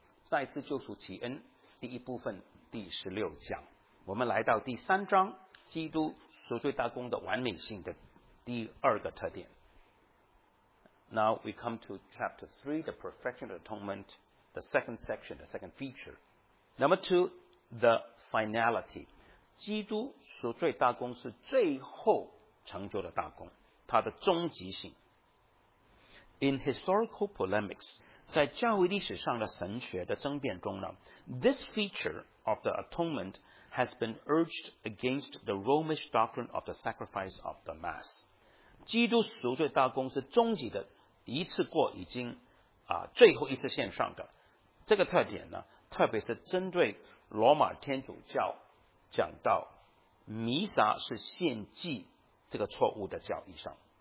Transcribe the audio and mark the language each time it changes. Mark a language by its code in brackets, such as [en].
[zh] 再次救赎启恩，第一部分，第十六讲。我们来到第三章，基督赎罪大功的完美性的第二个特点。 [en] Now we come to Chapter 3, the Perfection of Atonement, the second section, the second feature. Number 2, the finality. [zh] 基督赎罪大功是最后成就的大功，它的终极性。 [en] In historical polemics, [zh] 在教会历史上的神学的争辩中呢， [en] this feature of the atonement has been urged against the Romish doctrine of the sacrifice of the Mass. [zh] 基督赎罪大功是终极的，一次过已经最后一次献上的。这个特点呢，特别是针对罗马天主教讲到弥撒是献祭这个错误的教义上。